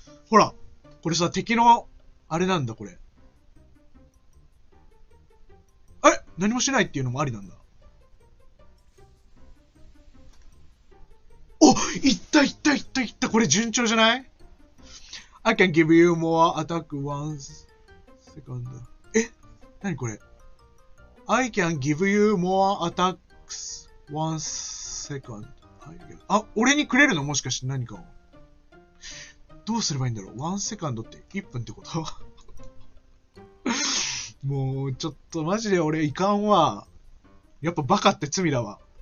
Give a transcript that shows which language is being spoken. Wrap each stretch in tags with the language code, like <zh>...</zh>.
<ja>ほら、これさ、敵の、あれなんだ、これ。え、何もしないっていうのもありなんだ。お、いったいったいったいった、これ順調じゃない？</ja> <en>I can give you more attack once second.</en> <ja>え、何これ？</ja> <en>I can give you more attacks once second.</en> <ja>あ、俺にくれるの？もしかして何かを。どうすればいいんだろう？1 second って1分ってこと？もうちょっとマジで俺いかんわ。やっぱバカって罪だわ。</ja>